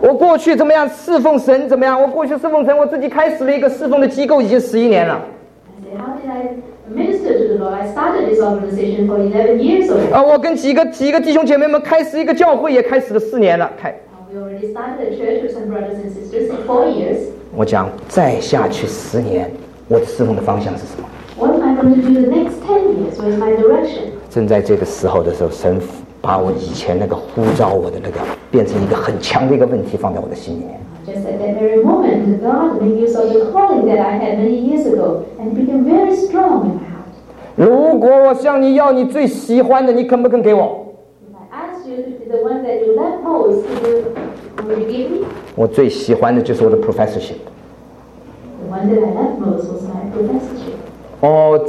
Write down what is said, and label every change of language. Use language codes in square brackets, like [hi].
[zh] 我过去侍奉神，我自己开始了一个侍奉的机构，已经11年了。 [en] I say, how did I minister to the Lord? I started this organization for 11 years already. [zh] 我跟几个弟兄姐妹们开始一个教会，也开始了4年了。开。 [en] We already started a church with some brothers and sisters in 4 years. [zh] 我讲再下去10年，我的侍奉的方向是什么 [en] ？What am I going to do the next 10 years? What is my direction? [zh] 正在这个时候的时候，神。把我以前那个呼召我的那个变成一个很强的一个问题放在我的心里面 [en] Just at that very moment God made use of the calling that I had many years ago and became very strong in my heart [zh] 如果我向你要你最喜欢的你肯不肯给我 [en] If I ask you to be the one that you love most will you give me? [zh] 我最喜欢的就是我的 professorship [en] The one that I love most was my professorship